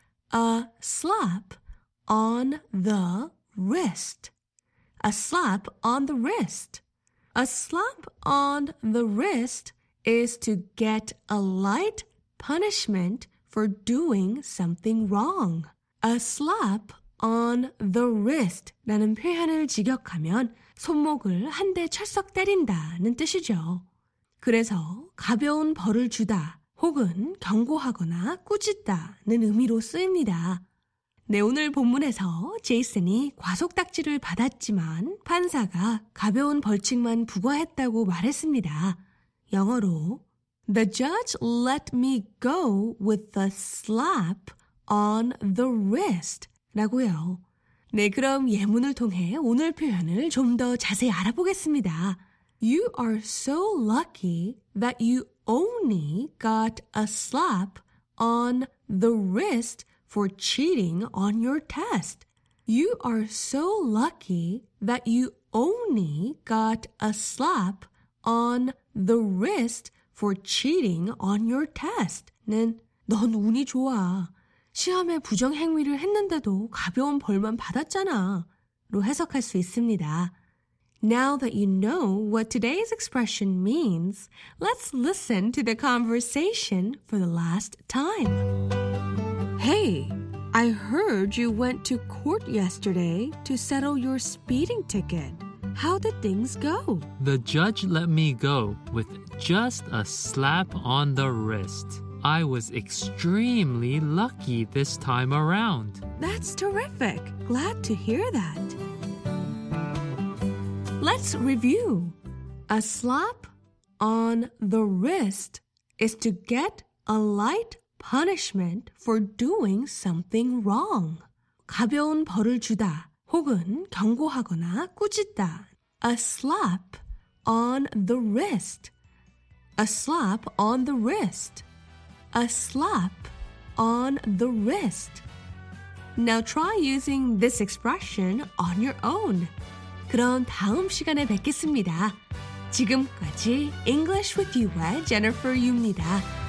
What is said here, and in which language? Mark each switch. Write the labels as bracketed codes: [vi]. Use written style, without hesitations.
[en] A slap on the wrist. A slap on the wrist. A slap on the wrist is to get a light punishment for doing something wrong. A slap on the wrist [ko] 라는 표현을 직역하면 손목을 한 대 철썩 때린다는 뜻이죠. 그래서 가벼운 벌을 주다 혹은 경고하거나 꾸짖다는 의미로 쓰입니다. 네, 오늘 본문에서 제이슨이 과속딱지를 받았지만 판사가 가벼운 벌칙만 부과했다고 말했습니다. 영어로 [en] The judge let me go with a slap on the wrist [ko] 라고요. 네, 그럼 예문을 통해 오늘 표현을 좀 더 자세히 알아보겠습니다. [en] You are so lucky that you only got a slap on the wrist for cheating on your test. You are so lucky that you only got a slap on the wrist for cheating on your test. [ko] 는 넌 운이 좋아. 시험에 부정 행위를 했는데도 가벼운 벌만 받았잖아. 로 해석할 수 있습니다. [en] Now that you know what today's expression means, let's listen to the conversation for the last time. Hey, I heard you went to court yesterday to settle your speeding ticket. How did things go? The judge let me go with just a slap on the wrist. I was extremely lucky this time around. That's terrific. Glad to hear that. Let's review. A slap on the wrist is to get a light punishment for doing something wrong. [ko] 가벼운 벌을 주다 혹은 경고하거나 꾸짖다. [en] A slap on the wrist. A slap on the wrist. A slap on the wrist. Now try using this expression on your own. [ko] 그럼 다음 시간에 뵙겠습니다. 지금까지 English with You의 Jennifer Yu입니다.